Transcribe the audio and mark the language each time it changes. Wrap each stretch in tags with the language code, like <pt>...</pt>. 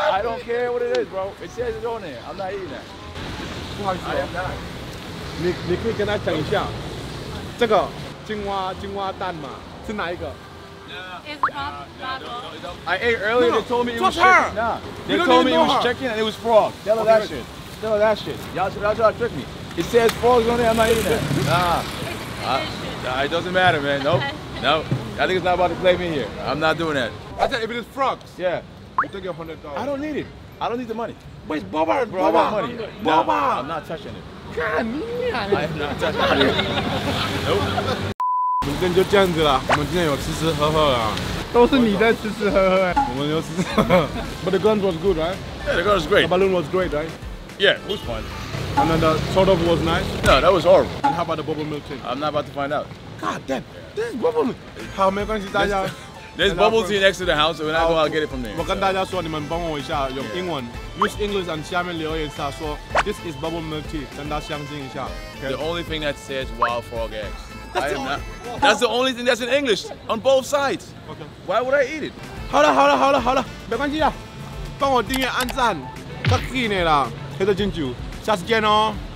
<en>I don't care what it is, bro. It says it's on there.</en> <zh>不好意思，你可以跟他讲一下，这个青蛙蛋嘛，是哪一个？</zh> <en>It's possible. I ate earlier. They told me it was chicken. They told me it was chicken and it was frog. Tell her that shit. Tell her that shit. Y'all trick me. It says frog's on there. I'm not eating that. Nah. It doesn't matter, man. Nope. Nope. I think it's not about to play me here. I'm not doing that. I said if it is frogs. Yeah. You take your $100. I don't need it. I don't need the money. But it's boba, bro. Boba. I got money. Boba. No, I'm not touching it. God, I'm not touching it. Nope.</en> <zh>今天就这样子啦。我们今天有吃吃喝喝啊。都是你在吃吃喝喝。我们有吃吃喝喝。</zh> <en>But the gun was good, right? Yeah, the gun was great. The balloon was great, right? Yeah, it was fun. And then the sort of was nice? No, that was horrible. And how about the bubble milk thing? I'm not about to find out. God damn. This is bubble milk.</en> <zh>好，没关系，大家。</zh> <en>There's bubble tea next to the house, so when I go, I'll get it from there.</en> <zh>我跟大家说，你们帮我一下，用英文</zh> <en>use English，</en> <zh>在下面留言一下，说</zh> <en>this is bubble milk tea，</en> <zh>跟大家相近一下。</zh> <en>The only thing that says wild frog eggs. That's the only thing that's in English on both sides. Okay. Why would I eat it?</en> <zh>好了好了好了好了，没关系了，帮我订阅、按赞，客气你了，黑色星期五，下次见哦。</zh>